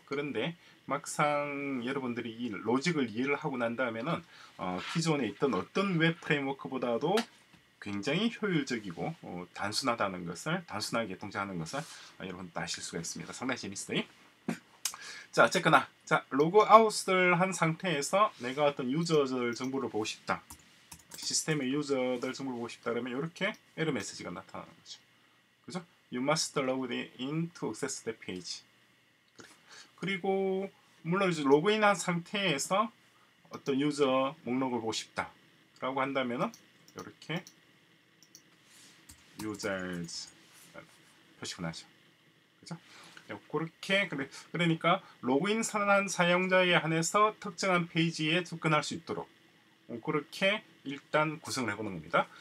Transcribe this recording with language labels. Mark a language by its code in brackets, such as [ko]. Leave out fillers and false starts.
[ko] 그런데 막상 여러분들이 이 로직을 이해를 하고 난 다음에는 기존에 있던 어떤 웹 프레임워크보다도 굉장히 효율적이고 단순하다는 것을 단순하게 동작하는 것을 여러분 아실 수가 있습니다. 상당히 재밌어요. 자, 어쨌거나 자 로그아웃을 한 상태에서 내가 어떤 유저들 정보를 보고 싶다, 시스템의 유저들 정보를 보고 싶다 그러면 이렇게 에러 메시지가 나타나는 거죠. [en] You must log in to access the page. [ko] 그리고 물론 이제 로그인한 상태에서 어떤 유저 목록을 보고 싶다라고 한다면은 이렇게 users 표시가 나죠. 그죠? 그렇게 그러니까 로그인한 사용자에 한해서 특정한 페이지에 접근할 수 있도록 그렇게 일단 구성을 해보는 겁니다.